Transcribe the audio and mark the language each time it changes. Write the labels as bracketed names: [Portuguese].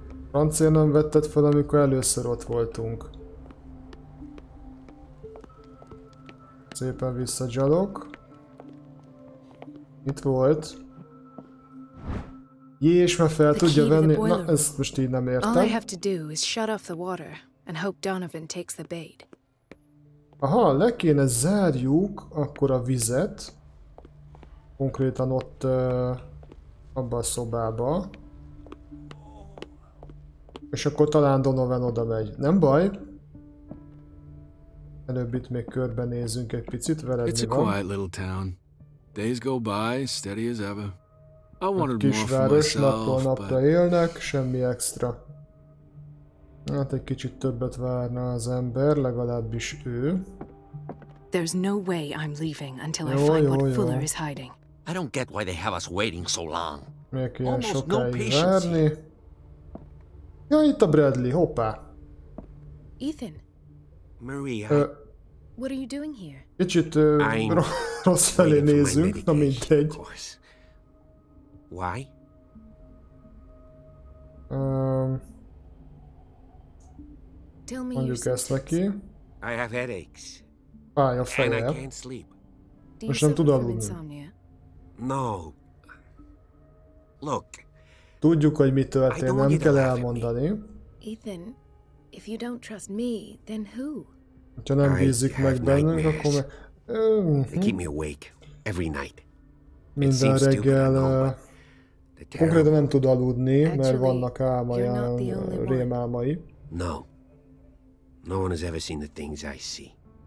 [Hungarian] Francia nem vetted fel, amikor először ott voltunk. Szépen visszagyalog. Itt volt. Jé, és már fel tudja venni. Na, ezt most így nem értem. [English] All I have to do is shut off the water and hope Donovan takes the bait. [Hungarian] Aha, le kéne zárjuk akkor a vizet. Konkrétan ott abba a szobába. És akkor talán Donovan oda megy. Nem baj. Előbb itt még körbenézünk egy picit, veled mi van. [English] It's a quiet little town. Days go by, steady as ever. I wanted more for myself, [Hungarian] napra élnek, semmi extra. Hát egy kicsit többet várna az ember, legalábbis ő. [English] There's no way I'm leaving until I find what Fuller is hiding. I don't get why they have us waiting so long. [Hungarian] Miért ilyen sokáig várni? Ja, itt a Bradley, hoppá. [English] Ethan. Maria. What are you doing here? [Hungarian] Kicsit rossz felé nézünk, na mindegy. [English] Why? Tell me your symptoms. I have headaches. [Hungarian] Fáj a feje. [English] And I can't sleep. [Hungarian] Most nem tud aludni. [English] No. Look. [Hungarian] Tudjuk, hogy mi történt, nem kell elmondani. [English] Ethan, if you don't trust me, then who? [Hungarian] Ha nem bízik meg bennünk, akkor meg... [English] They keep me awake every night. [Hungarian] Minden reggel... Konkrétan nem tud aludni, mert vannak álmaján rémálmai. [English] No. No one has ever seen the things I see.